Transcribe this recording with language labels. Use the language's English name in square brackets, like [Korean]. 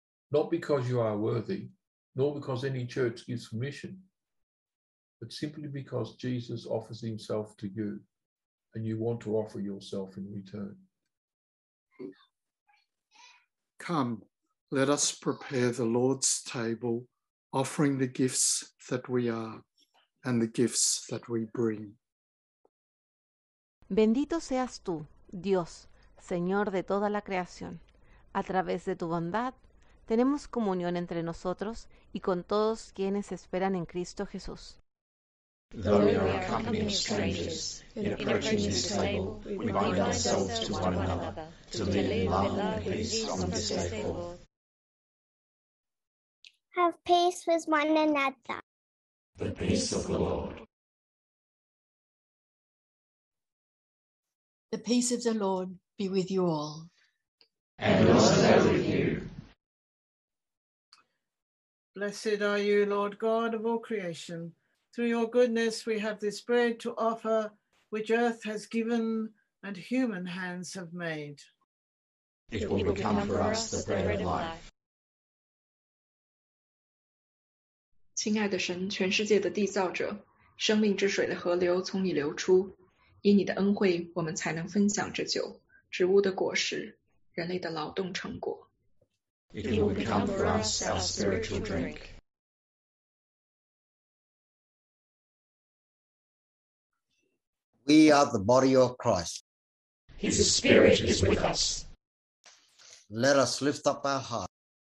[English] Not because you are worthy, nor because any church gives permission, but simply because Jesus offers himself to you and you want to offer yourself in return. Come, let us prepare the Lord's table, offering the gifts that we are and the gifts that we bring. [Spanish] Bendito seas tú, Dios, Señor de toda la creación, a través de tu bondad, tenemos comunión entre nosotros y con todos quienes esperan en Cristo Jesús. [English] Though we are a company of strangers, in approaching this table, we bind ourselves to one another, to live in love and peace from this day forth. Have peace with one another. The peace of the Lord. The peace of the Lord be with you all. And also with you. Blessed are you, Lord God of all creation. Through your goodness we have this bread to offer, which earth has given and human hands have made. It will become for us the bread of life. [Chinese] 亲爱的神，全世界的缔造者，生命之水的河流从你流出。以你的恩惠，我们才能分享这酒，植物的果实，人类的劳动成果。 [English] It will become for us our spiritual drink. We are the body of Christ. His spirit is with us. Let us lift up our hearts.